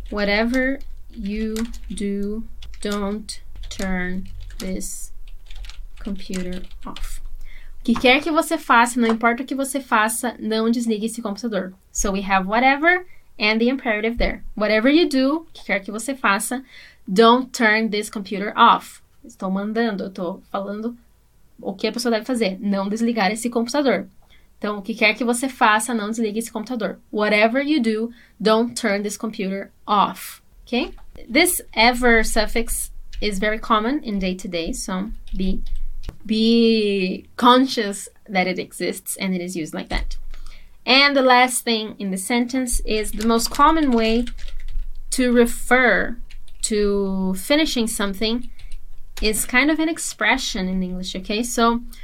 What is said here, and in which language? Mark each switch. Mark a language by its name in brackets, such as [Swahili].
[English] Whatever you do, don't turn this computer off. [Portuguese] O que quer que você faça, não importa o que você faça, não desligue esse computador. [English] So we have whatever and the imperative there. Whatever you do, [Portuguese] o que quer que você faça, [English] don't turn this computer off. [Portuguese] Estou mandando, estou falando o que a pessoa deve fazer, não desligar esse computador. Então, o que quer que você faça, não desligue esse computador. [English] Whatever you do, don't turn this computer off. Okay? This ever suffix is very common in day-to-day, so be conscious that it exists and it is used like that. And the last thing in the sentence is the most common way to refer to finishing something is kind of an expression in English, okay? So,